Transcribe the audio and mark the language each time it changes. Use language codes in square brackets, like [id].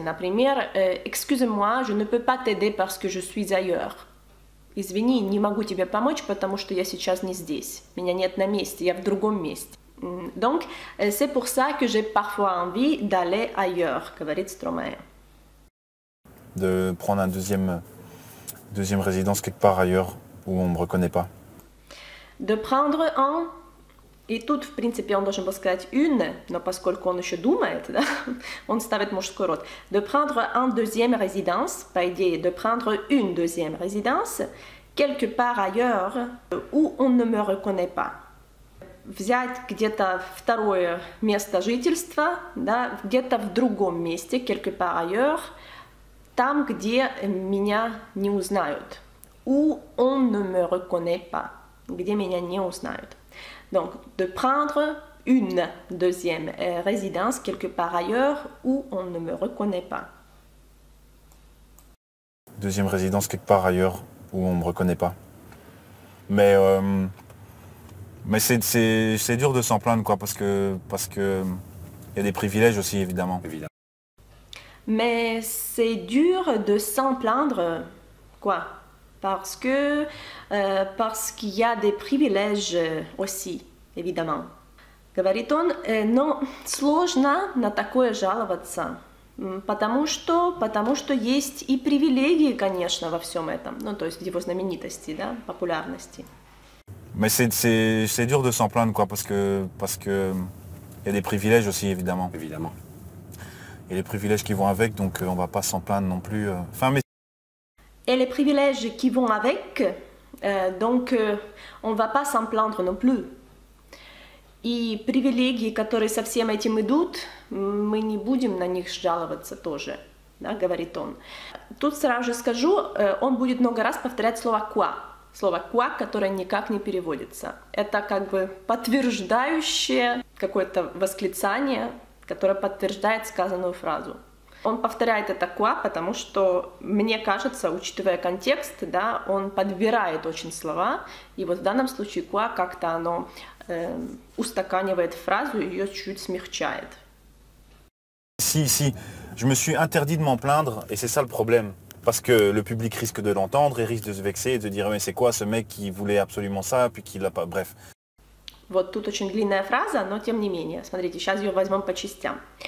[ru] Например, [fr] «Excuse-moi, je ne peux pas t'aider parce que je suis ailleurs». [ru] Извини, не могу тебе помочь, потому что я сейчас не здесь. Меня нет на месте, я в другом месте. [fr] Donc, c'est pour ça que j'ai parfois envie d'aller ailleurs, [ru] говорит Стромае. [fr] De prendre un deuxième résidence quelque part ailleurs où on ne me reconnaît pas. De prendre un... [ru] Et тут, в принципе, он должен был сказать une, но поскольку он еще думает, да, он ставит мужской род. [fr] De prendre un deuxième résidence, [ru] по идее, [fr] de prendre une deuxième résidence, quelque part ailleurs, où on ne me reconnaît pas. [ru] Взять где-то второе место жительства, да, где-то в другом месте, [fr] quelque part ailleurs, [ru] там, где меня не узнают. [fr] Où on ne me reconnaît pas, [ru] где меня не узнают. [fr] Donc, de prendre une deuxième résidence quelque part ailleurs où on ne me reconnaît pas. Deuxième résidence quelque part ailleurs où on ne me reconnaît pas. Mais c'est dur de s'en plaindre, quoi, parce que y a des privilèges aussi, évidemment. Mais c'est dur de s'en plaindre, quoi. Parce qu'il y a des privilèges aussi, évidemment. [ru] Говорит он, но сложно на такое жаловаться, потому что есть и привилегии, конечно, во всем этом. Ну, то есть в его знаменитости, да, популярности. [fr] Mais c'est dur de s'en plaindre, quoi, parce que y a des privilèges aussi, évidemment. Évidemment. Et les privilèges qui vont avec, donc on va pas s'en plaindre non plus. Et les privilèges qui vont avec, on ne va pas s'en plaindre non plus. [ru] И привилегии, которые со всем этим идут, мы не будем на них жаловаться тоже, да, говорит он. Тут сразу же скажу, он будет много раз повторять слово «qua». Слово «qua», которое никак не переводится. Это как бы подтверждающее какое-то восклицание, которое подтверждает сказанную фразу. Он повторяет это «qua», потому что, мне кажется, учитывая контекст, да, он подбирает очень слова, и вот в данном случае «qua» как-то оно устаканивает фразу, ее чуть смягчает. [fr] Si, je me suis interdit de m'en plaindre, et c'est ça le problème, parce que le public risque de l'entendre, et risque de se vexer, et de dire «mais c'est quoi ce mec qui voulait absolument ça, puis qui l'a pas», bref. [ru] Вот тут очень длинная фраза, но тем не менее, смотрите, сейчас ее возьмем по частям.